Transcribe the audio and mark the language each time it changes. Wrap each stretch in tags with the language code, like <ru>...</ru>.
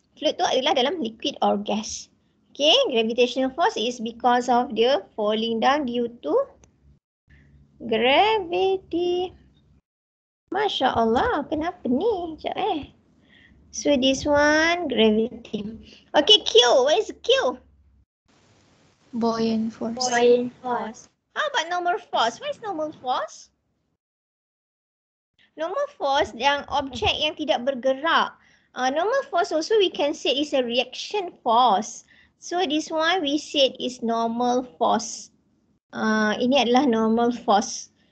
<ms>Fluid tu adalah dalam</ms> <en>liquid or gas. Okay, gravitational force is because of the falling down due to gravity.</en> <ms>Masya Allah, kenapa ni? Sekejap eh.</ms> <en>So this one, gravity. Okay, Q. What is Q? Buoyant force. How about normal force? What is normal force? Normal force</en> <ms>yang objek yang tidak bergerak.</ms> <en>Normal force also we can say is a reaction force. So this one we said is normal force.</en> <ms>Ini adalah normal force.</ms>